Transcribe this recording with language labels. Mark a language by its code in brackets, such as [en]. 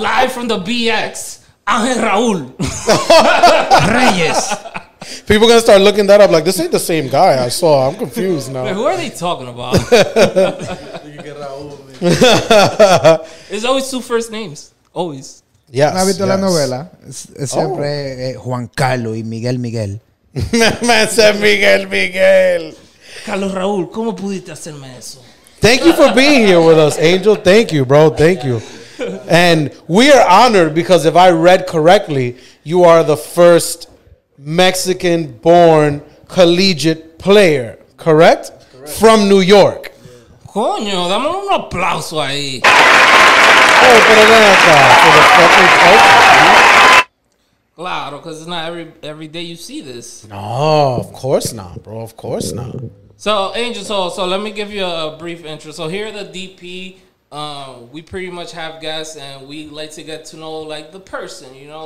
[en] Live from the BX, Angel Raul. Reyes. People going to start looking that up like, this ain't the same guy I saw. I'm confused now. Wait, who are they talking about? You get Raul. It's always two first names. Always. Yes. [es] ¿No has visto [en] yes. [es] la novela? Es siempre Juan Carlos y Miguel Miguel. Me hace Miguel Miguel. Carlos Raúl, ¿cómo pudiste hacerme eso? [en] Thank you for being here with us, Angel. Thank you, bro. Thank you. And we are honored because if I read correctly, you are the first Mexican-born collegiate player, correct? From New York. [es] Coño, dame un aplauso ahí. [en] Oh, [es] pero ven acá. [en] For the fucking culture, dude. Claro, because it's not every day you see this. No, of course not, bro. Of course not. So, Angel, so let me give you a brief intro. So, here at the DP, we pretty much have guests, and we like to get to know, like, the person, you know?